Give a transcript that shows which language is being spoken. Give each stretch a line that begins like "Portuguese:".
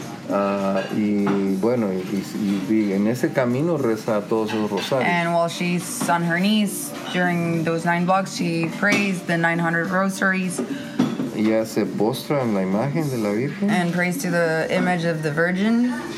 Spanish: Y bueno, y en ese camino reza todos esos rosarios.
English: And while she's on her knees during those 9 blocks, she prays the 900 rosaries.
Spanish: Ella se postra en la imagen de la Virgen.
English: And prays to the image of the Virgin.